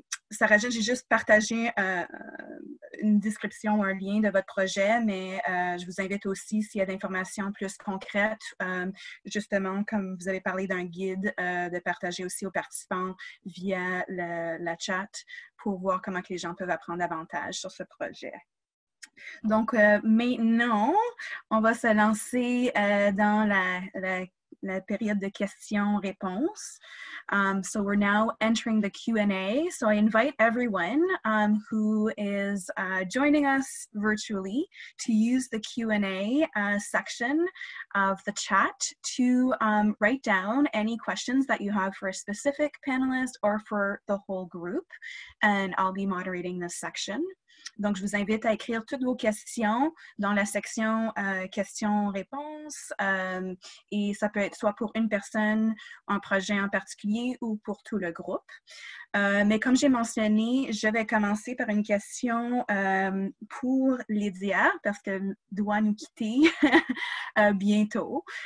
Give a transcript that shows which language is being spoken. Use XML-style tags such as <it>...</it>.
<fr>Sarah-Jeanne, j'ai juste partagé une description, un lien de votre projet, mais je vous invite aussi, s'il y a d'informations plus concrètes, justement, comme vous avez parlé d'un guide, de partager aussi aux participants via la chat pour voir comment que les gens peuvent apprendre davantage sur ce projet. Donc, maintenant, on va se lancer dans la période de questions-réponses.</fr> <en>So we're now entering the Q&A. So I invite everyone who is joining us virtually to use the Q&A section of the chat to write down any questions that you have for a specific panelist or for the whole group. And I'll be moderating this section.</en> <fr>Donc, je vous invite à écrire toutes vos questions dans la section questions-réponses et ça peut être soit pour une personne, un projet en particulier ou pour tout le groupe. Mais comme j'ai mentionné, je vais commencer par une question pour Lydia parce qu'elle doit nous quitter bientôt.</fr>